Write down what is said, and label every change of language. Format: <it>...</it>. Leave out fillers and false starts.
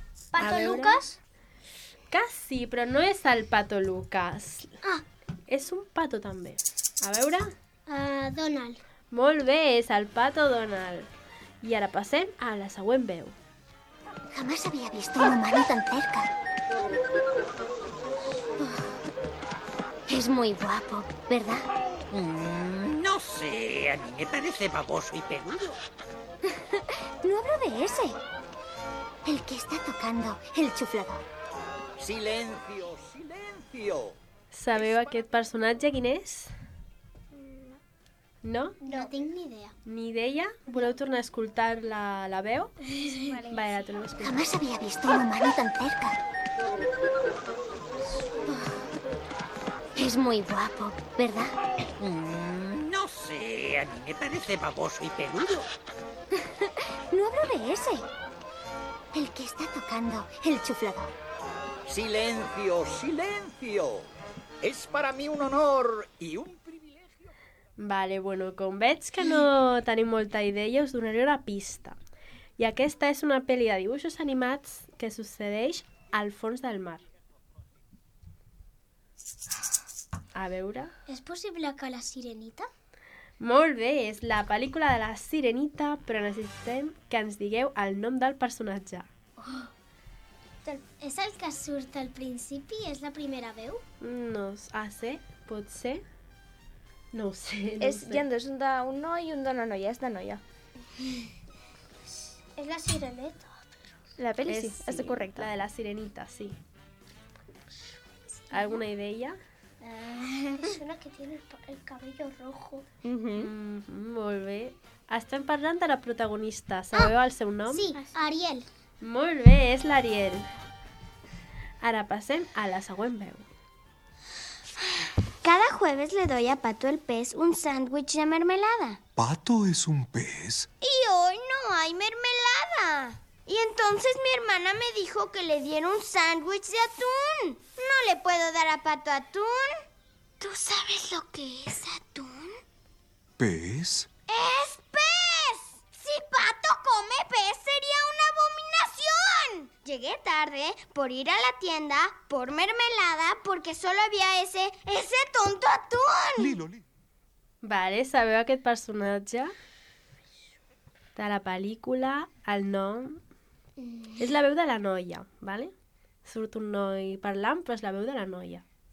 <ca>Pato Lucas? Quasi, però no és el Pato Lucas. És un pato també. A veure... Donald. Molt bé, és el pato Donald. I ara passem a la següent veu.</ca> <es>Jamás había visto un humano tan cerca. Es muy guapo, ¿verdad? No sé, a mí me parece baboso y peludo. No hablo de ese. El que está tocando el chuflador. Silencio, silencio.</es> <ca>¿Sabeu aquest personatge quin és? No? No tinc ni idea. Ni idea? Voleu tornar a escoltar la veu? Sí. Vale, ara tornem a escoltar.</ca> <es>Jamás había visto un humano tan cerca. Es muy guapo, ¿verdad? No sé, a a mí me parece baboso y peludo. No hablo de ese. El que está tocando el chuflador. ¡Silencio, silencio! Es para mí un honor y un privilegio...</es> <ca>Vale, bueno, com veig que no tenim molta idea, us donaré una pista. I aquesta és una pel·li de dibuixos animats que succeeix al fons del mar. A veure... És possible que la Sirenita? Molt bé, és la pel·lícula de la Sirenita, però necessitem que ens digueu el nom del personatge. És el que surt al principi? És la primera veu? No, ah, sí? Pot ser? No ho sé, no és, ho sé. Hi ha dos, un d'un noi i un d'una noia, és de noia. És la Sireneta, però... La pel·li, sí, és correcte. La de la Sirenita, sí. Alguna idea? És una que té el</ca> <es>cabello rojo.</es> <ca>Molt bé. Estem parlant de la protagonista, sabeu el seu nom? Sí, Ariel. Molt bé, és l'Ariel. Ara passem a la següent veu.</ca> <es>Cada jueves le doy a Pato el pez un sándwich de mermelada. ¿Pato es un pez? Y hoy no hay mermelada. Y entonces mi hermana me dijo que le diera un sándwich de atún. No le puedo dar a Pato atún. ¿Tú sabes lo que es atún? ¿Pez? ¡Es pez! Si Pato come pez sería una abominación. Llegué tarde por ir a la tienda por mermelada porque solo había ese tonto atún.</es> <ca>Vale, sabeu aquest personatge de la pel·lícula, el nom... És la veu de la noia, vale? Surt un noi parlant, però és la veu de la noia.</ca>